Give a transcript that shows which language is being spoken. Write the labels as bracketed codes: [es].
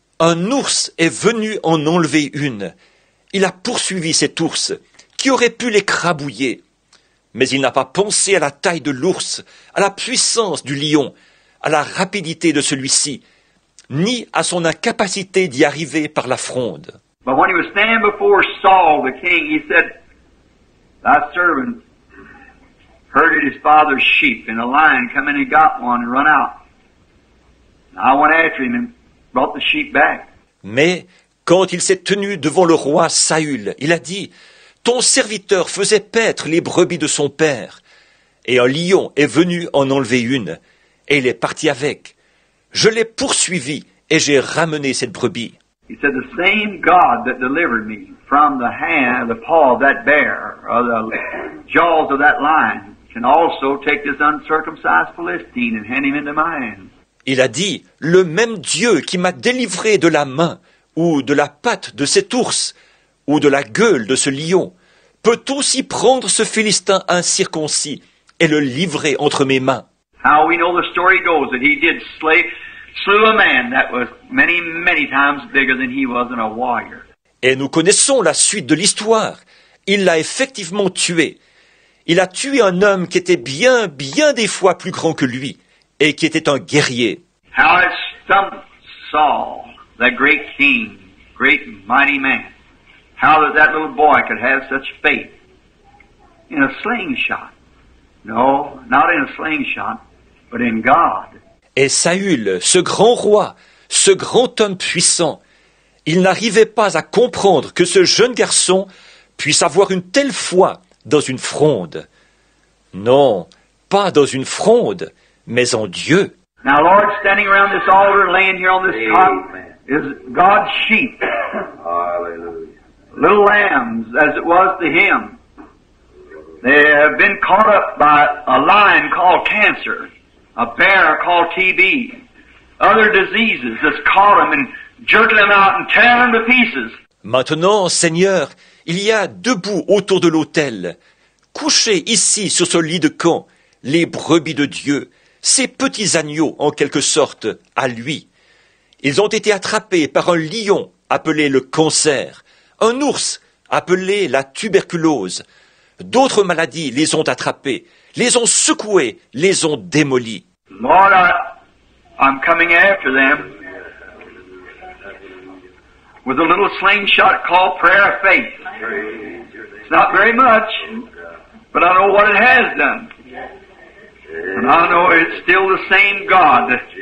[fr] Un ours est venu en enlever une. Il a poursuivi cet ours qui aurait pu l'écrabouiller. Mais il n'a pas pensé à la taille de l'ours, à la puissance du lion, à la rapidité de celui-ci, ni à son incapacité d'y arriver par la fronde. [en] But when he was standing before Saul, the king, he said, "Thy servant herded his father's sheep, and a lion came and he got one and run out. And I went after him and brought the sheep back." [fr] Mais quand il s'est tenu devant le roi Saül, il a dit, "Ton serviteur faisait paître les brebis de son père, et un lion est venu en enlever une." Et il est parti avec. Je l'ai poursuivi et j'ai ramené cette brebis. [en] He said, "The same God that delivered me from the hand, the paw of that bear, or the jaws of that lion, can also take this uncircumcised Philistine and hand him into my hands." [fr] Il a dit, "Le même Dieu qui m'a délivré de la main ou de la patte de cet ours ou de la gueule de ce lion peut aussi prendre ce Philistin incirconcis et le livrer entre mes mains." [en] How we know the story goes that he did slew a man that was many, many times bigger than he was in a warrior. [fr] Et nous connaissons la suite de l'histoire. Il l'a effectivement tué. Il a tué un homme qui était bien, bien des fois plus grand que lui et qui était un guerrier. [en] How it stumped Saul, that great king, great mighty man, how that little boy could have such faith in a slingshot. No, not in a slingshot, but in God. [fr] Et Saül, ce grand roi, ce grand homme puissant, il n'arrivait pas à comprendre que ce jeune garçon puisse avoir une telle foi dans une fronde. Non, pas dans une fronde, mais en Dieu. [en] Now, Lord, standing around this altar, laying here on this cot, is God's sheep. Hallelujah. little lambs, as it was to him. They have been caught up by a lion called cancer, a bear called TB, other diseases that's caught them and jerked them out and tear them to pieces. [fr] Maintenant, Seigneur, il y a debout autour de l'autel, couchés ici sur ce lit de camp, les brebis de Dieu, ces petits agneaux en quelque sorte à lui. Ils ont été attrapés par un lion appelé le cancer, un ours appelé la tuberculose. D'autres maladies les ont attrapés, les ont secoués, les ont démolis. [en] Lord, I'm coming after them with a little slingshot called prayer of faith. It's not very much, but I know what it has done. And I know it's still the same God.